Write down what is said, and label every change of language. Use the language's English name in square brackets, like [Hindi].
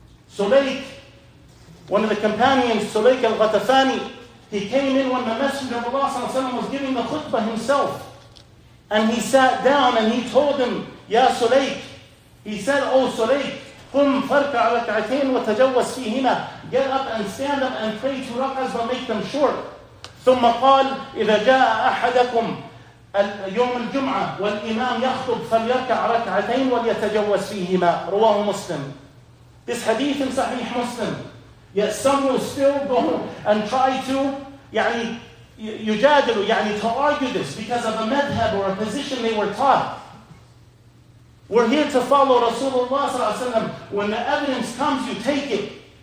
[English] Sulayk, one of the companions, Sulayk al-Ghatafani, he came in when the Messenger of Allah was giving the khutbah himself. And he sat down and he told him, Ya Sulayk, he said, O Sulayk, [Arabic] قُمْ فَرْكَعْ رَكْعَتَيْنِ وَتَجَوَّزْ فِيهِمَا. [English] Get up and stand up and pray two rak'ahs, but make them short. [Arabic] ثُمَّ قَالْ إِذَا جَاءَ أَحَدَكُمْ يوم الجمعة والإمام يخطب فليركع ركعتين وليتجوز فيهما رواه مسلم. [English] This hadith in Sahih Muslim. Yet some will still go and try to [Arabic] يعني يجادل يعني [English] to argue this because of a madhab or a position they were taught. We're here to follow Rasulullah sallallahu alaihi wasallam. When the evidence comes, you take it.